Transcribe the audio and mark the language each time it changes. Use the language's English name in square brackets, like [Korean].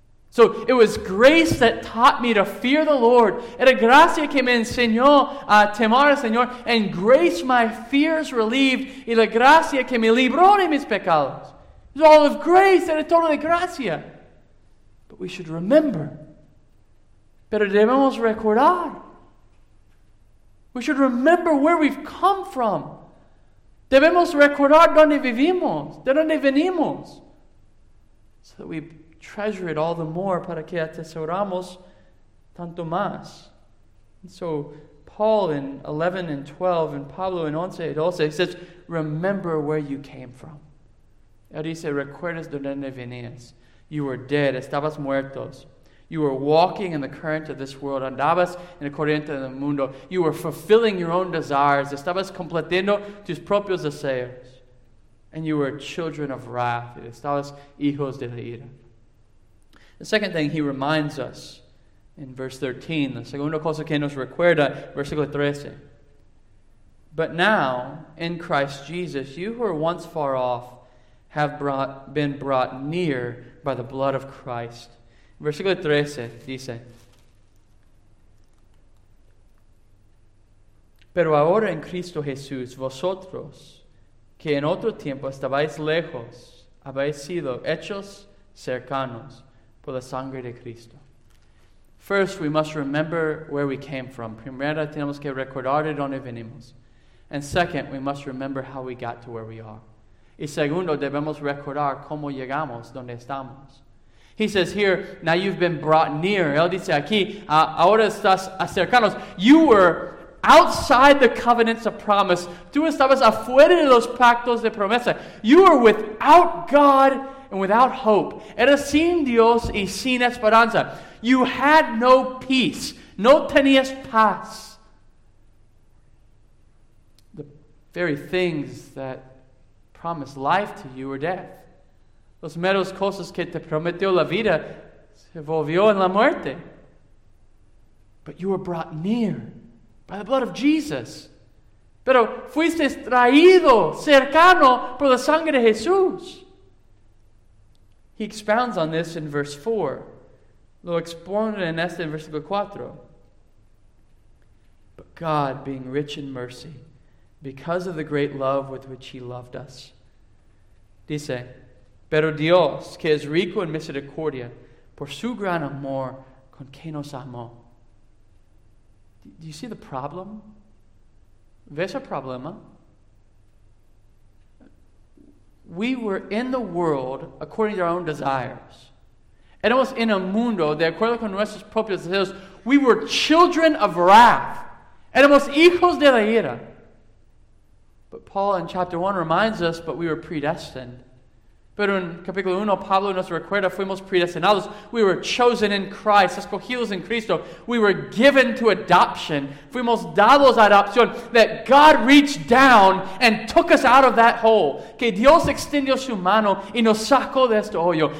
[English] So it was grace that taught me to fear the Lord. [Spanish] Era gracia que me enseñó a temor al Señor, [English] and grace my fears relieved, [Spanish] y la gracia que me libró de mis pecados. [English] It was all of grace, [Spanish] era todo de gracia. [English] But we should remember. [Spanish] Pero debemos recordar. [English] We should remember where we've come from. [Spanish] Debemos recordar donde vivimos, de donde venimos. [English] So that we treasure it all the more [Spanish] para que atesoramos tanto más. [English] And so Paul in 11 and 12 and Pablo in 11 and 12 says, remember where you came from. [Spanish] Él dice, recuerdas de donde venías. [English] You were dead, [Spanish] estabas muertos. [English] You were walking in the current of this world, [Spanish] andabas en el corriente del mundo. [English] You were fulfilling your own desires, [Spanish] estabas completando tus propios deseos. [English] And you were children of wrath, [Spanish] estabas hijos de la ira. [English] The second thing he reminds us in verse 13, [Spanish] la segunda cosa que nos recuerda, versículo 13. [English] But now, in Christ Jesus, you who were once far off have been brought near by the blood of Christ. [Spanish] Versículo 13 dice, pero ahora en Cristo Jesús, vosotros, que en otro tiempo estabais lejos, habéis sido hechos cercanos por la sangre de Cristo. [English] First, we must remember where we came from. [Spanish] Primera, tenemos que recordar de donde venimos. [English] And second, we must remember how we got to where we are. [Spanish] Y segundo, debemos recordar cómo llegamos donde estamos. [English] He says here, now you've been brought near. [Spanish] Él dice aquí, ahora estás acercados. [English] You were outside the covenants of promise. [Spanish] Tú estabas afuera de los pactos de promesa. [English] You were without God and without hope. [Spanish] Eras sin Dios y sin esperanza. [English] You had no peace. [Spanish] No tenías paz. [English] The very things that promised life to you or death. [Spanish] Los meros cosas que te prometió la vida se volvió en la muerte. [English] But you were brought near by the blood of Jesus. [Spanish] Pero fuiste traído cercano por la sangre de Jesús. [English] He expounds on this in verse 4. [Spanish] Lo expone en este en versículo 4. [English] But God, being rich in mercy, because of the great love with which he loved us, [Spanish] dice, pero Dios, que es rico en misericordia, por su gran amor, con que nos amó. [English] Do you see the problem? [Spanish] ¿Ves el problema? [English] We were in the world according to our own desires. [Spanish] Éramos en el mundo de acuerdo con nuestros propios deseos. [English] We were children of wrath. [Spanish] Éramos hijos de la ira. [English] But Paul in chapter 1 reminds us, but we were predestined. [Spanish] Pero en capítulo 1, Pablo nos recuerda, fuimos predestinados. [English] We were chosen in Christ, [Spanish] escogidos en Cristo. [English] We were given to adoption. [Spanish] Fuimos dados a adopción. [English] That God reached down and took us out of that hole. [Spanish] Que Dios extendió su mano y nos sacó de este hoyo.